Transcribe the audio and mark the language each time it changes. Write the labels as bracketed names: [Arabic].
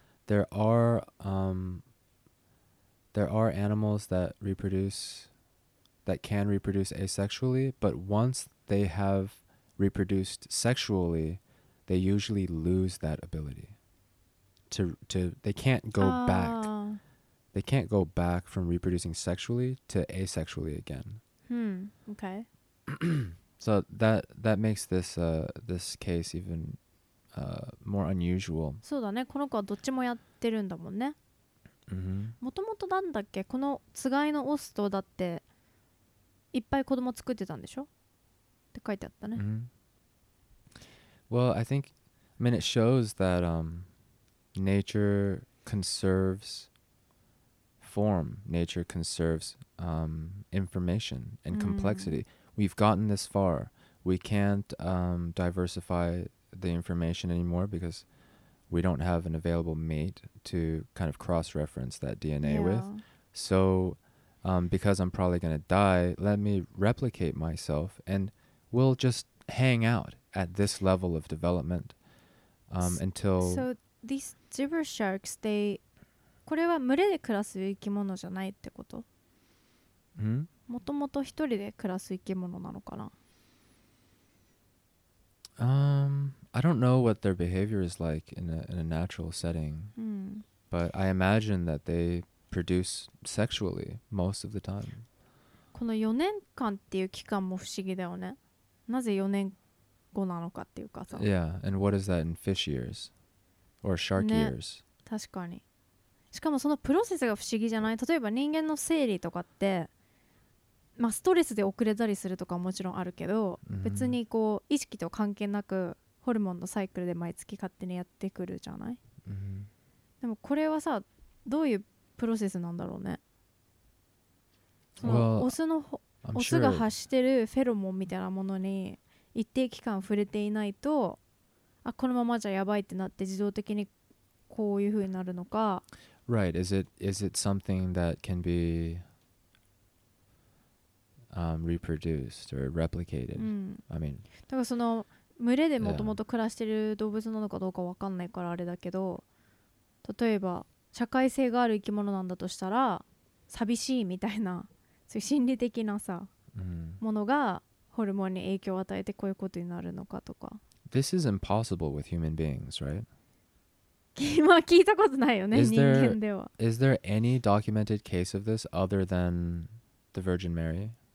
[English] There are animals that reproduce, that can reproduce asexually, but once they have reproduced sexually, they usually lose that ability. They can't go back from reproducing sexually to asexually again. Hmm, okay. So that makes this, this case even more unusual. [Japanese] そうだね、この子はどっちもやってるんだもんね。もともとなんだっけ、このつがいのオスとだっていっぱい子供作ってたんでしょって書いてあったね。 [English] Well, I think, I mean, it shows that nature conserves... form, nature conserves information and complexity. We've gotten this far. We can't diversify the information anymore because we don't have an available mate to kind of cross-reference that DNA with. So because I'm probably going to die, let me replicate myself and we'll just hang out at this level of development until... So these zebra sharks, they... [Japanese] これは群れで暮らす生き物じゃないってこと？もともと一人で暮らす生き物なのかな？ [English] I don't know what their behavior is like in a natural setting. But I imagine that they produce sexually most of the time. [Japanese] この4年間っていう期間も不思議だよね。なぜ4年後なのかっていうかさ。 [English] Yeah, and what is that in fish years? Or shark years? [Japanese] 確かに。しかもそのプロセスが不思議じゃない？例えば人間の生理とかって、まあ、ストレスで遅れたりするとかもちろんあるけど、mm-hmm. 別にこう意識と関係なくホルモンのサイクルで毎月勝手にやってくるじゃない、 mm-hmm. でもこれはさどういうプロセスなんだろうね。 [English] well, [Japanese] オスの、 [English] I'm、 [Japanese] オスが発してる、 [English] sure. [Japanese] フェロモンみたいなものに一定期間触れていないと、あ、このままじゃやばいってなって自動的にこういう風になるのか。 [English] Right. Is it something that can be reproduced or replicated? I mean, [Japanese] だからその群れでもともと暮らしてる動物なのかどうかわかんないからあれだけど、例えば社会性がある生き物なんだとしたら寂しいみたいな、そういう心理的なさ、ものがホルモンに影響を与えてこういうことになるのかとか。 [English] This is impossible with human beings, right? [Japanese] まあ聞いたことないよね、人間では。 [English] Is there any documented case of this other than the Virgin Mary?